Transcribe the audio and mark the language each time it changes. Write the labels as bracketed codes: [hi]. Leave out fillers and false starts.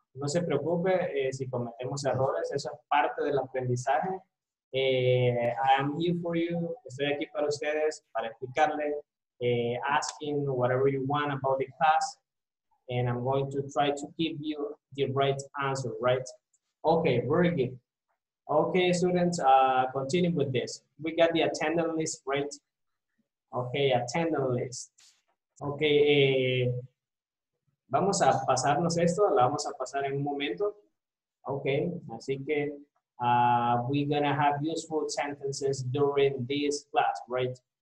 [es] No se preocupe si cometemos errores, eso es parte del aprendizaje. [en] I am here for you, [es] estoy aquí para ustedes, para explicarle, [en] asking whatever you want about the class, and I'm going to try to give you the right answer, right? Okay, very good. Okay, students, continue with this. We got the attendance list, right? Okay, attendance list. [es] Okay, vamos a pasarnos esto, la vamos a pasar en un momento. [en] Okay, [es] así que [en] we're gonna have useful sentences during this class, right?